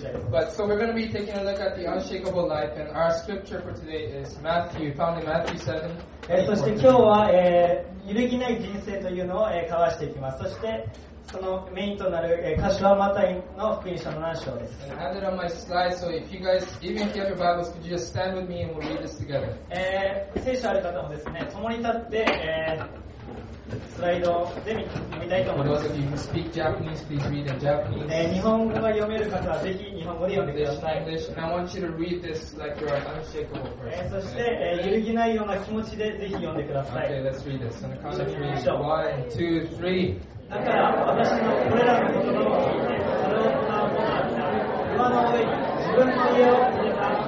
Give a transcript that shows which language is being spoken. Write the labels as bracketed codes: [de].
[en] But so we're going to be taking a look at the unshakable life, and our scripture for today is Matthew, found in Matthew 7. [ja] そして今日は、揺るぎない人生というのを、交わしていきます。そしてそのメインとなる、箇所はマタイの福音書の7章です。 [en] I have it on my slide, so if you guys, even if you have your Bibles, could you just stand with me and we'll read this together? [ja] 聖書ある方もですね、共に立って、スライドで読みたいと思います。 [en] For those of you who speak Japanese, please read in Japanese. [ja] 日本語が読める方はぜひ日本語で読んでください。 [en] English. And I want you to read this like you're an unshakable person. [ja] そして、揺るぎないような気持ちでぜひ読んでください。 [en] Okay, let's read this. On the count of three. 1, 2, 3. [ja] だから私のこれらの言葉を聞いて、それを行うものは、馬の上に自分の家を入れた。